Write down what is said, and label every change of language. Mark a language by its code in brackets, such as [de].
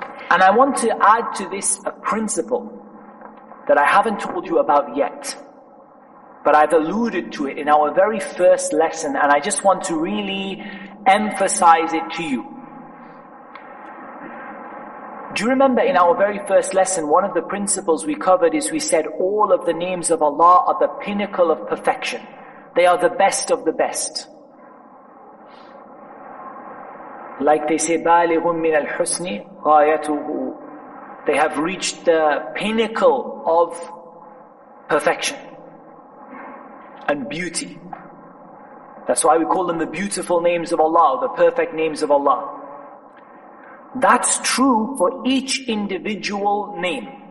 [en] And I want to add to this a principle that I haven't told you about yet, but I've alluded to it in our very first lesson, and I just want to really emphasize it to you. Do you remember in our very first lesson, one of the principles we covered is we said all of the names of Allah are the pinnacle of perfection. They are the best of the best. [ar] Like they say, بَالِغٌ مِنَ الْحُسْنِ غَايَتُهُ. [en] They have reached the pinnacle of perfection and beauty. That's why we call them the beautiful names of Allah, the perfect names of Allah. That's true for each individual name.